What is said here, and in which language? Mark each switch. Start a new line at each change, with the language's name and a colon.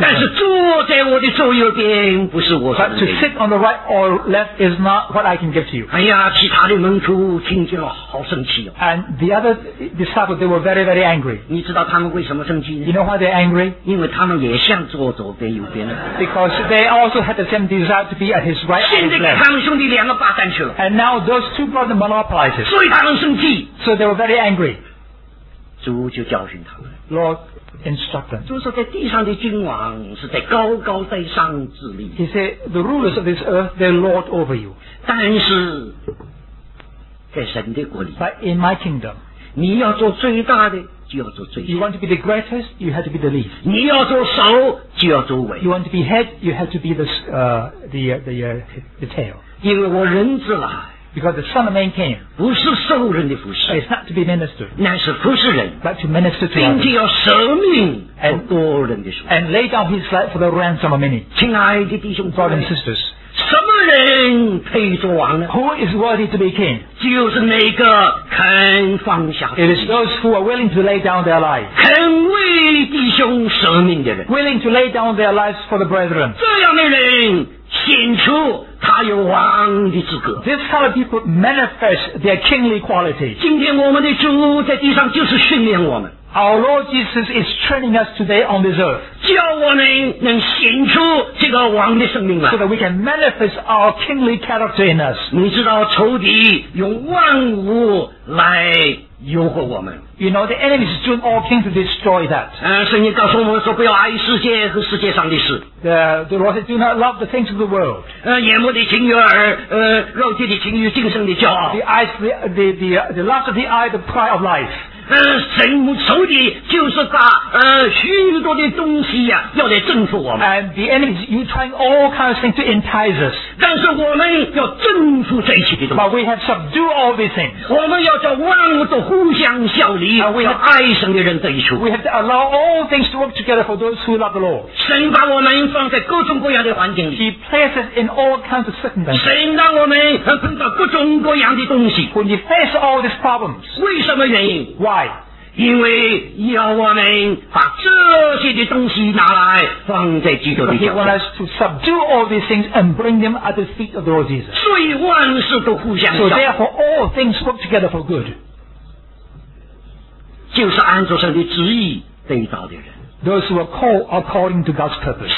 Chinese: 但是坐在我的左右边不是我的
English: but to sit on the right or left is not what I can give to you
Chinese: 哎呀其他的门徒听见了好生气、哦、
English: and the other disciples they were very very angry You know why they're angry? Because they also had the same desire to be at his right hand. And now those two brothers monopolized it. So they were very angry. Lord instructed them. He said, the rulers of this earth, they lord over you. But in my kingdom, You want to be the greatest, you have to be the least.
Chinese: 你要做首，就要做尾。
English: You want to be head, you have to be the tail.
Chinese: 因为我人子来。
English: Because the Son of Man came.
Chinese: 不是受人的服侍。
English: It's not to be ministered.
Chinese: 乃是服侍人。
English: But to minister to others.
Chinese: 并且要舍命而多人的手。
English: And lay down his life for the ransom of many.
Chinese: 亲爱的弟兄
English: ，brothers and sisters.
Chinese: 什么人配做王呢
English: Who is worthy to be king?
Chinese: 就是那个肯放下
English: It is those who are willing to lay down their lives
Chinese: 肯为弟兄舍命的人
English: Willing to lay down their lives for the brethren
Chinese: 这样的人显出他有王的资格
English: This kind of people manifest their kingly quality
Chinese: 今天我们的主在地上就是训练我们
English: Our Lord Jesus is training us today on this earth
Chinese: 叫我们能显出这个王的生命来
English: So that we can manifest our kingly character in us
Chinese: 你知道仇敌用万物来诱惑我们
English: You know the enemy is doing all things to destroy that
Chinese: 圣经告诉我们说不要爱世界和世界上的事
English: The Lord said, do not love the things of the world.
Chinese: 眼目的情欲耳，肉体的情欲，今生的骄傲。
English: The lust of the eye, the pride of life.
Chinese: 神仇敌就是把许多的东西呀、啊，要来征服我们。
English: And the enemy is trying all kinds of things to entice us.
Chinese: 但是我们要征服这些的东西。
English: But we have subdued all these things.
Chinese: 我们要叫万物都互相效力，要爱神的人得益处。
English: We have to allow all things to work together for those who love the Lord.
Chinese: 神把我们放在各种各样的环境里
English: He places in all kinds of circumstances
Chinese: 神让我们碰到各种各样的东西
English: When you face all these problems
Chinese: 为什么原因
English: Why?
Chinese: 因为要我们把这些的东西拿来放在基督的脚下
English: He wants us to subdue all these things and bring them at the feet of the Lord Jesus
Chinese: 所以万事都互相效
English: So therefore all things work together for good
Chinese: 就是按照神的旨意得到的人
English: Those who are called according to God's purpose.